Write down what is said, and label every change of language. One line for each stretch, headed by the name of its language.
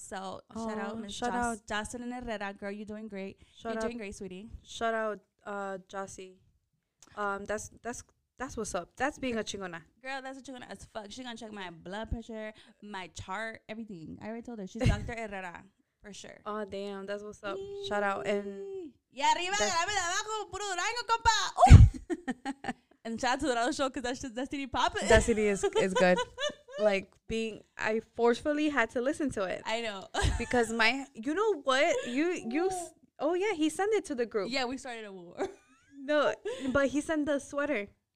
English: So shout out Jocelyn and Herrera. Girl, you're doing great. Sweetie. Shout out Jossie. That's what's up. That's being a chingona. Girl, that's a chingona as fuck. She's gonna check my blood pressure, my chart, everything. I already told her she's Dr. Herrera for sure. Oh damn, that's what's up. Yee. Shout out and
Spanish: Y arriba, grabe de abajo, puro Durango, compa.
English: And shout out to the Durango show, because that's just Destiny popping. Destiny is good. Like, being, I forcefully had to listen to it. I know. Because my, you know what? You, oh yeah, he sent it to the group. Yeah, we started a war. No, but he sent the sweater.